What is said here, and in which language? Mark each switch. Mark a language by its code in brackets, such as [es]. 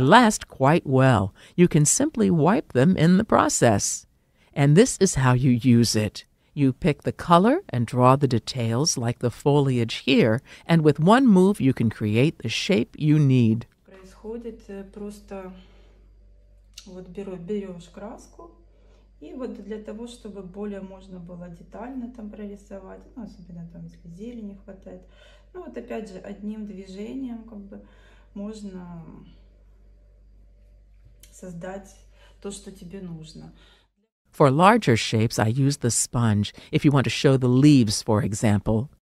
[en] They last quite well. You can simply wipe them in the process. And this is how you use it. You pick the color and draw the details, like the foliage here, and with one move you can create the shape you need. [ru] Происходит просто... Вот берешь краску, и вот для того, чтобы более можно было детально там прорисовать, ну, особенно там, если зелени хватает, ну, вот опять же, одним движением, как бы, можно создать то, что тебе нужно. [en] For larger shapes, I use the sponge, if you want to show the leaves, for example.